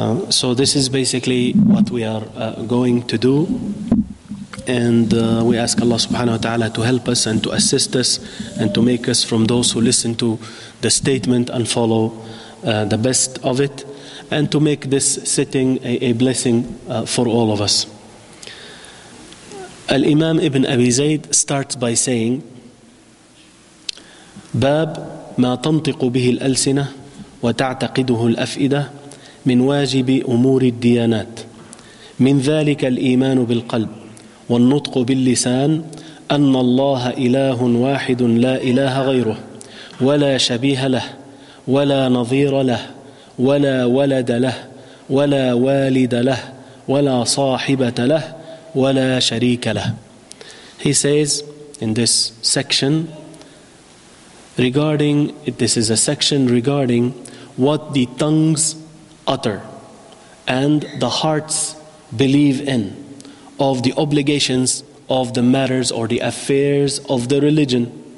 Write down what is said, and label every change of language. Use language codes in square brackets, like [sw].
[en] So this is basically what we are going to do, and we ask Allah subhanahu wa ta'ala to help us and to assist us and to make us from those who listen to the statement and follow the best of it, and to make this sitting a blessing for all of us. [ar] Al-Imam Ibn Abi Zayd [en] starts by saying, [ar] باب ما تنطق به الألسنة وتعتقده الأفئدة من واجب أمور الديانات من ذلك الإيمان بالقلب والنطق باللسان أن الله إله واحد لا إله غيره ولا شبيه له ولا نظير له ولا ولد له ولا والد له ولا صاحبة له ولا شريك له. [en] He says in this section regarding, this is a section regarding what the tongues utter and the hearts believe in of the obligations of the matters or the affairs of the religion.